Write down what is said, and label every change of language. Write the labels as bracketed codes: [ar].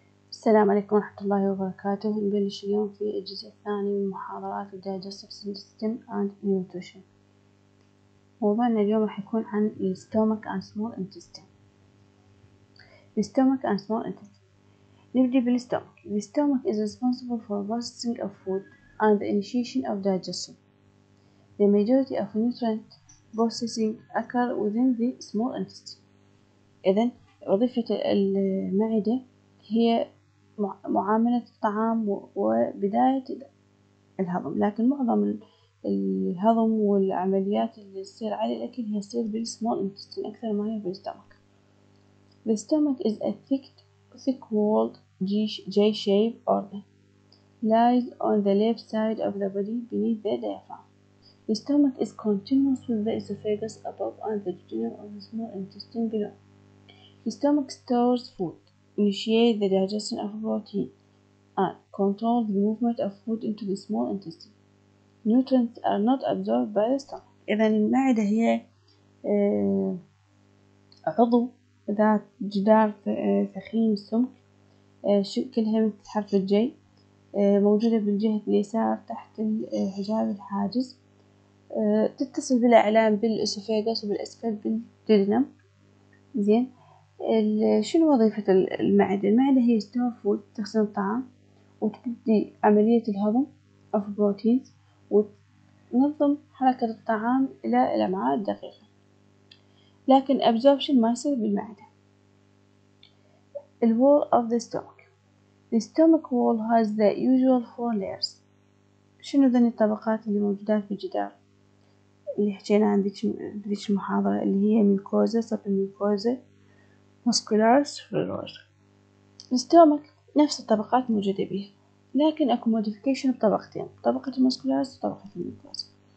[ar] السلام عليكم ورحمة الله وبركاته. نبلش اليوم في الجزء الثاني من محاضرات [en] Digestive System and Nutrition. [ar] موضوعنا اليوم راح يكون عن [en] Stomach and Small Intestine. Stomach and Small Intestine. [ar] نبدأ بالStomach. [en] The stomach is responsible for processing of food and the initiation of digestion. The majority of nutrient processing occur within the small intestine. [ar] إذن وظيفة المعدة هي معاملة الطعام وبداية الهضم، لكن معظم الهضم والعمليات اللي تصير على الأكل هي تصير بالسمول انتستين أكثر ما هي بالستومك. [en] The stomach is a thick walled J-shaped organ lies on the left side of the body beneath the diaphragm. The stomach is continuous with the esophagus above and the duodenum of the small intestine below. The stomach stores food, initiate the digestion of protein, and control the movement of food into the small intestine. Nutrients are not absorbed by the stomach. [ar] إذا المعدة هي عضو ذات جدار ثخين السمك، شكلها مثل حرف الجي، موجودة بالجهة اليسار تحت الحجاب الحاجز، تتصل بالأعلام بالأسفاجس وبالأسفل بالدودنم. زين، شنو وظيفة المعدة؟ المعدة هي ستور فود، تخزن الطعام وتؤدي عملية الهضم [en] of proteins [ar] وتنظم حركة الطعام إلى الأمعاء الدقيقة، لكن absorption ما يصير بالمعدة. [en] The wall of the stomach. The stomach wall has the usual four layers. [ar] شنو ذني الطبقات اللي موجودة في الجدار اللي حكينا عن ذيك المحاضرة، اللي هي ميوكوزا، سطح الميوكوزا، muscularis fibrosus. الستومك نفس الطبقات موجودة بيها، لكن اكو modification بطبقتين، طبقة muscularis وطبقة الميوكوزا.